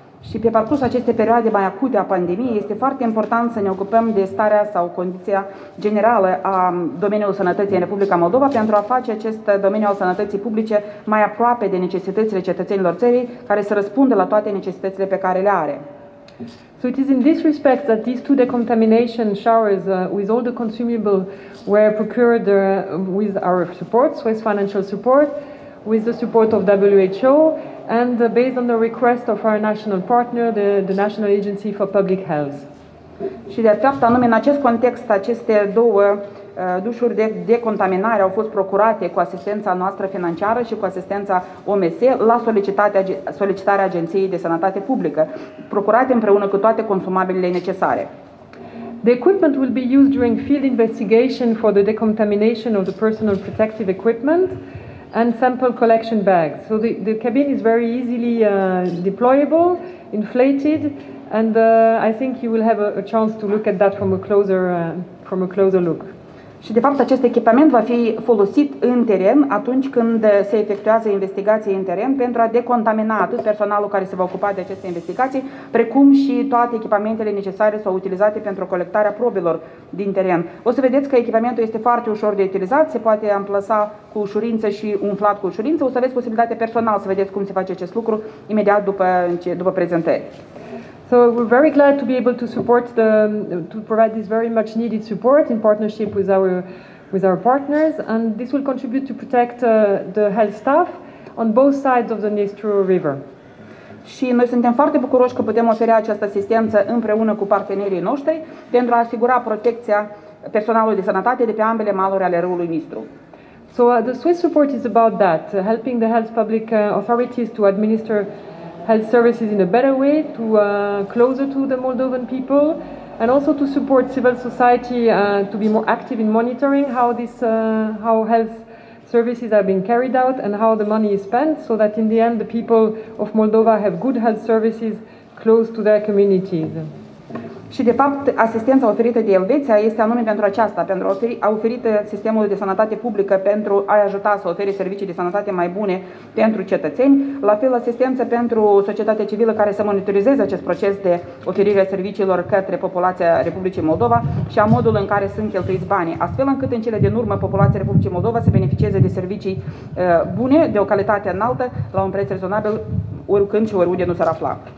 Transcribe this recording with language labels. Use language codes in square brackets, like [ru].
[ro] Și pe parcursul acestei perioade mai acute a pandemiei, este foarte important să ne ocupăm de starea sau condiția generală a domeniului sănătății în Republica Moldova pentru a face acest domeniu al sănătății publice mai aproape de necesitățile cetățenilor țării, care să răspundă la toate necesitățile pe care le are. [en] So it is in this respect that these two decontamination showers with all the consumable were procured with our support, Swiss financial support, with the support of WHO and based on the request of our national partner, the National Agency for Public Health. [ro] Și de fapt, anume în acest context, aceste două dușuri de decontaminare au fost procurate cu asistența noastră financiară și cu asistența OMS la solicitarea Agenției de Sănătate Publică, procurate împreună cu toate consumabilele necesare. [en] The equipment will be used during field investigation for the decontamination of the personal protective equipment and sample collection bags. So the cabin is very easily deployable, inflated, and I think you will have a chance to look at that from a closer look. [ro] Și de fapt acest echipament va fi folosit în teren atunci când se efectuează investigații în teren pentru a decontamina atât personalul care se va ocupa de aceste investigații, precum și toate echipamentele necesare sau utilizate pentru colectarea probelor din teren. O să vedeți că echipamentul este foarte ușor de utilizat, se poate amplasa cu ușurință și umflat cu ușurință. O să aveți posibilitatea personal să vedeți cum se face acest lucru imediat după prezentare. [en] So we're very glad to be able to support to provide this very much needed support in partnership with our partners, and this will contribute to protect the health staff on both sides of the Dniester River. [ro] Și noi suntem foarte bucuroși că putem oferi această asistență împreună cu partenerii noștri pentru a asigura protecția personalului de sănătate de pe ambele maluri ale râului Nistru. [en] So the Swiss support is about that, helping the health public authorities to administer health services in a better way, to closer to the Moldovan people, and also to support civil society to be more active in monitoring how health services are being carried out and how the money is spent, so that in the end the people of Moldova have good health services close to their communities. [ro] Și de fapt, asistența oferită de Elveția este anume pentru aceasta, pentru a oferi sistemul de sănătate publică pentru a ajuta să ofere servicii de sănătate mai bune pentru cetățeni, la fel asistență pentru societatea civilă care să monitorizeze acest proces de oferire a serviciilor către populația Republicii Moldova și a modului în care sunt cheltuiți banii, astfel încât în cele din urmă populația Republicii Moldova să beneficieze de servicii bune, de o calitate înaltă, la un preț rezonabil, oricând și oriunde nu s-ar afla.